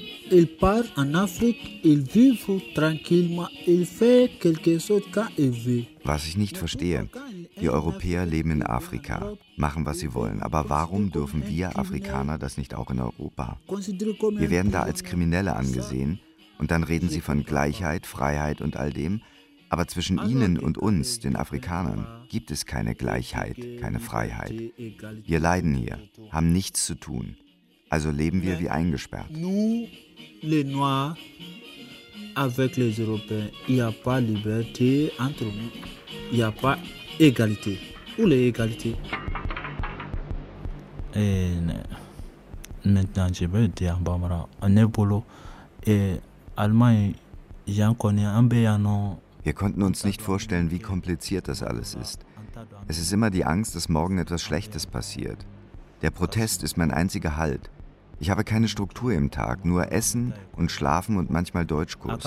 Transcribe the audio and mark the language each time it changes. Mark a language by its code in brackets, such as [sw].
[fr] Il part en Afrique, il vit tranquillement, il fait quelque chose quand il veut. [de] Was ich nicht verstehe, die Europäer leben in Afrika, machen, was sie wollen. Aber warum dürfen wir Afrikaner das nicht auch in Europa? Wir werden da als Kriminelle angesehen und dann reden sie von Gleichheit, Freiheit und all dem. Aber zwischen ihnen und uns, den Afrikanern, gibt es keine Gleichheit, keine Freiheit. Wir leiden hier, haben nichts zu tun. Also leben wir wie eingesperrt. [fr] Les Noirs avec les Européens, il n'y a pas liberté entre nous, il n'y a pas égalité. Où est l'égalité? Et maintenant, je vais dire en Bambara, en Ebolo, et Allemagne, j'en connais un peu, non? [de] Wir konnten uns nicht vorstellen, wie kompliziert das alles ist. Es ist immer die Angst, dass morgen etwas Schlechtes passiert. Der Protest ist mein einziger Halt. Ich habe keine Struktur im Tag, nur Essen und Schlafen und manchmal Deutschkurs.